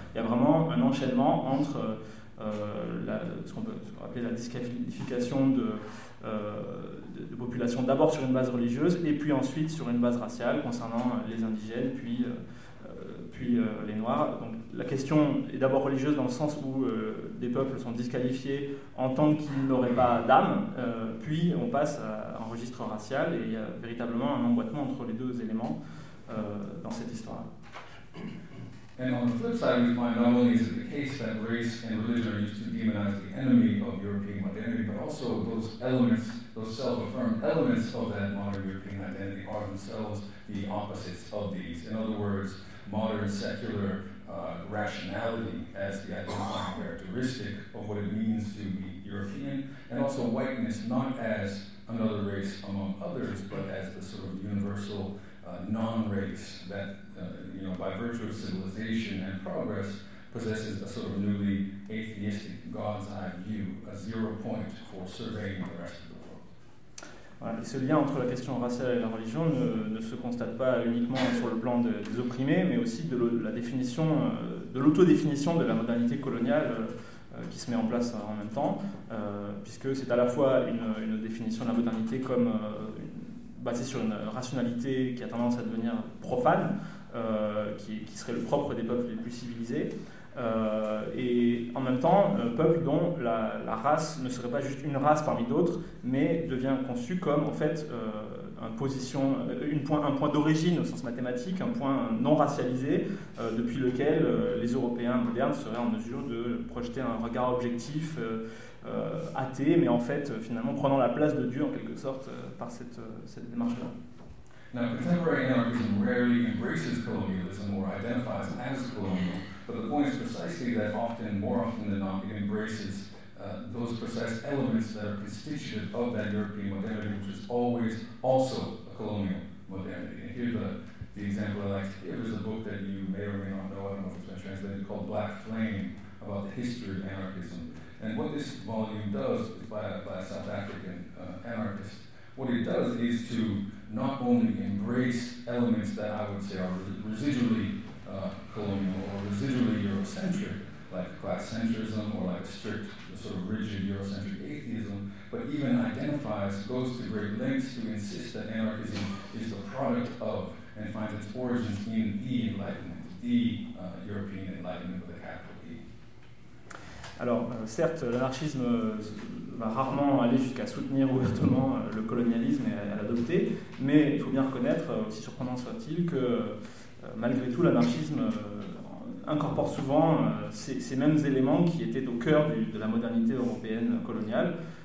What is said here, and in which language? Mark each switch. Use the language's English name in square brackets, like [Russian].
[French] Il y a vraiment un enchaînement entre ce qu'on peut appeler la disqualification de populations d'abord sur une base religieuse et puis ensuite sur une base raciale concernant les indigènes, puis les Noirs. Donc la question est d'abord religieuse dans le sens où des peuples sont disqualifiés en tant qu'ils n'auraient pas d'âme, puis on passe à un registre racial et il y a véritablement un emboîtement entre les deux éléments dans cette histoire. [English] And on the flip side, we find not only is it the case that race and religion are used to demonize the enemy of European modernity, but also those elements, those self-affirmed elements of that modern European identity are themselves the opposites of these. In other words, modern secular rationality as the identifying characteristic of what it means to be European, and also whiteness not as another race among others, but as the sort of universal non-race that, by virtue of civilization and progress, possesses a sort of newly atheistic God's eye view, a zero point for surveying the rest of the world. [French] Voilà, ce lien entre la question raciale et la religion ne se constate pas uniquement sur le plan des opprimés, mais aussi de l'autodéfinition de la modernité coloniale qui se met en place en même temps, puisque c'est à la fois une définition de la modernité comme basée sur une rationalité qui a tendance à devenir profane, qui serait le propre des peuples les plus civilisés, et en même temps, un peuple dont la race ne serait pas juste une race parmi d'autres, mais devient conçu comme, en fait, un point d'origine au sens mathématique, un point non racialisé, depuis lequel les Européens modernes seraient en mesure de projeter un regard objectif, athée, mais en fait, finalement, prenant la place de Dieu, en quelque sorte, par cette démarche-là. [English] Now, contemporary anarchism rarely embraces colonialism or identifies as colonial, but the point is precisely that often, more often than not, it embraces those precise elements that are constitutive of that European modernity, which is always also a colonial modernity. And here the example I like to give is a book that you may or may not know, I don't know if it's been translated, called Black Flame, about the history of anarchism. And what this volume does is by a South African anarchist. What it does is to not only embrace elements that I would say are residually colonial or residually Eurocentric, like class centrism or like strict, sort of rigid Eurocentric atheism, but even even identifies, goes to great lengths to insist that anarchism is the product of and finds its origins in the Enlightenment, the European Enlightenment with a capital E. [French] Alors, certes, l'anarchisme va rarement aller jusqu'à soutenir ouvertement le colonialisme et à l'adopter, mais il faut bien reconnaître, aussi surprenant soit-il, que malgré tout, l'anarchisme incorpore souvent ces mêmes éléments qui étaient au cœur de la modernité européenne coloniale.